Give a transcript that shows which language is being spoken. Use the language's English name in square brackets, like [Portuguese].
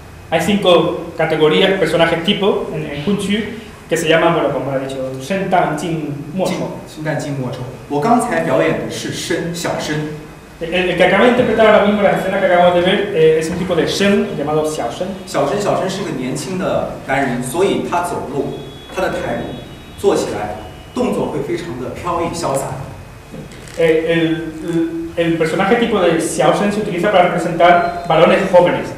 [Spanish] Hay 5 categorías de personajes tipos en Kunqu que se llaman, bueno, como ha dicho, Shen, Dai, Jin, Mo, Chou. [Chinese] Shen, Dai, Jin, Mo, Chou. 我刚才表演的是 Shen, 小 Shen. [Spanish] El que acaba de interpretar ahora mismo la escena que acabamos de ver es un tipo de Shen llamado Xiao Shen. [Chinese] Xiao Shen, Xiao Shen [Spanish] es un niñín [Chinese] 的男人，所以他走路， 他的态度，坐起来，动作会非常的飘逸潇洒。 [Spanish] El personaje tipo de Xiao Shen se utiliza para representar varones jóvenes.